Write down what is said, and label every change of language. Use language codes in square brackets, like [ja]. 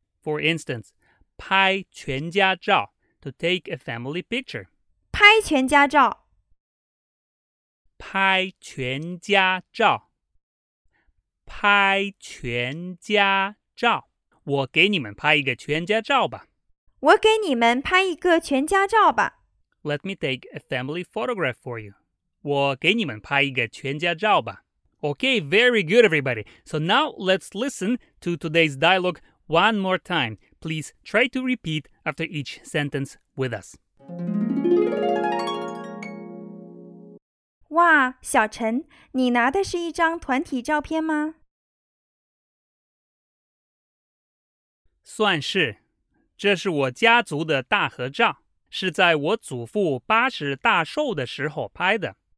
[en] For instance， [zh] 拍全家照 [en] to take a family picture， [zh] 拍全家照。拍全家照，拍全家照，我给你们拍一个全家照吧。我给你们拍一个全家照吧。 [en] Let me take a family photograph for you. [zh] 我给你们拍一个全家照吧。 [en] Okay, very good, everybody. So now let's listen to today's dialogue one more time. Please try to repeat after each sentence with us. [zh] 哇，小陈，你拿的是一张团体照片吗？算是，这是我家族的大合照，是在我祖父80大寿的时候拍的。